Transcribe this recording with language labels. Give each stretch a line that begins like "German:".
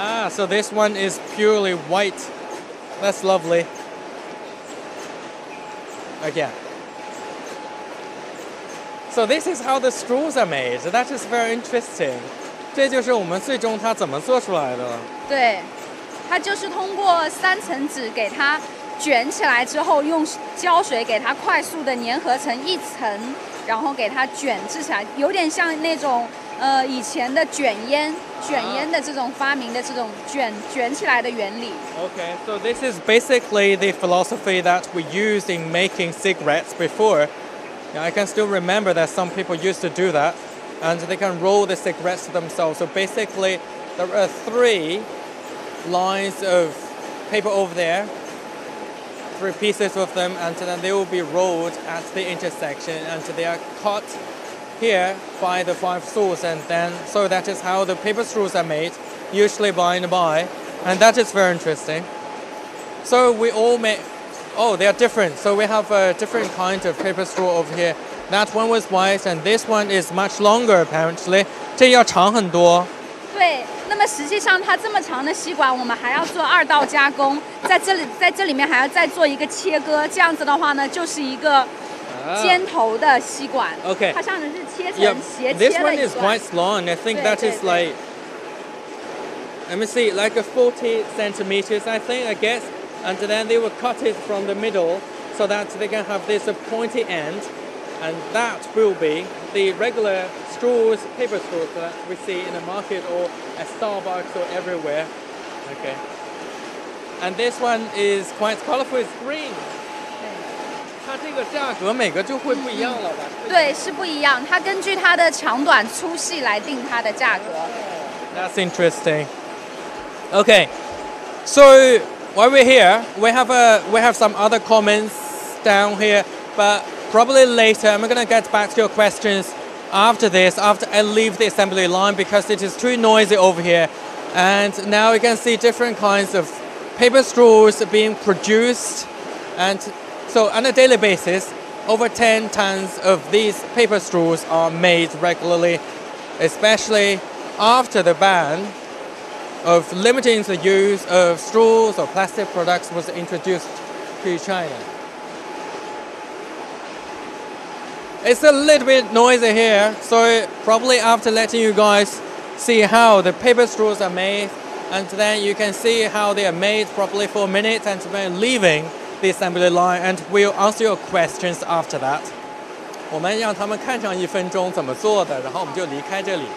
English: So this one is purely white. That's lovely. Again. So this is how the straws are made. That is very interesting.
Chinese: 这就是我们最终它怎么做出来的了。对，它就是通过三层纸给它卷起来之后，用胶水给它快速的粘合成一层，然后给它卷制起来，有点像那种。以前的卷烟的这种发明的这种卷起来的原理。
English: Okay, so this is basically the philosophy that we used in making cigarettes before. Yeah, I can still remember that some people used to do that, and they can roll the cigarettes themselves. So basically, there are three lines of paper over there, three pieces of them, and then they will be rolled at the intersection, and they are cut. Here by the five saws, and then so that is how the paper straws are made, usually by and by, and that is very interesting. So we all make, they are different. So we have a different kind of paper straw over here. That one was white, and this one is much longer apparently.
Chinese: 这要长很多。对，那么实际上它这么长的吸管，我们还要做二道加工，在这里面还要再做一个切割。这样子的话呢，就是一个。尖头的吸管
English: okay.
Chinese: 它上面是切成斜切的一段
English: This one is quite long. I think that is like, let me see, like a 40 centimeters, I think, I guess. And then they will cut it from the middle so that they can have this pointy end. And that will be the regular straws, paper straws that we see in the market or at Starbucks or everywhere. Okay. And this one is quite colorful. It's green.
Chinese: 它这个价格每个就会不一样了吧？对，是不一样。它根据它的长短粗细来定它的价格。
English: That's interesting. Okay, so while we're here, we have some other comments down here, but probably later I'm gonna get back to your questions after this, after I leave the assembly line because it is too noisy over here. And now you can see different kinds of paper straws being produced and. So on a daily basis, over 10 tons of these paper straws are made regularly, especially after the ban of limiting the use of straws or plastic products was introduced to China. It's a little bit noisy here, so probably after letting you guys see how the paper straws are made, and then you can see how they are made properly for a minute and then leaving the assembly line, and we'll answer your questions after that.
Chinese: 我们让他们看上一分钟怎么做的，然后我们就离开这里。